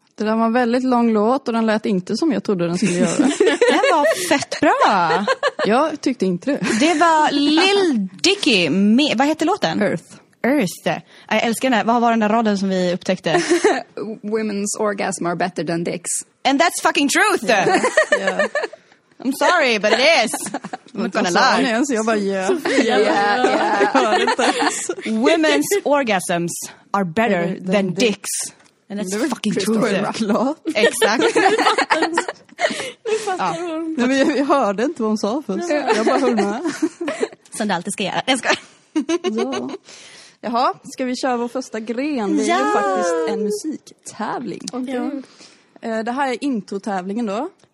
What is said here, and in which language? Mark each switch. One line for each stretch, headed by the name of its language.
Swedish: Det där var en väldigt lång låt och den lät inte som jag trodde den skulle göra. Den var fett bra. Jag tyckte inte det. Det var Lil Dicky med, vad heter låten? Earth. Earth. Jag älskar den här. Vad var den där raden som vi upptäckte?
English: Women's orgasm are better than dicks. And that's fucking truth. Yeah. Yeah. I'm sorry, but it is. I'm not gonna lie.
Swedish: Ens, jag bara, yeah.
English: Sofia, yeah. Women's orgasms are better than dicks. And that's fucking truth. Exactly.
Swedish: Nej, men jag hörde inte vad hon sa först. Jag bara höll med. Som du alltid ska göra. Jag ska. Ja. Jaha, ska vi köra vår första gren? Det är ju faktiskt en musiktävling.
English: Okay.
Swedish: Det här är intro-tävlingen då.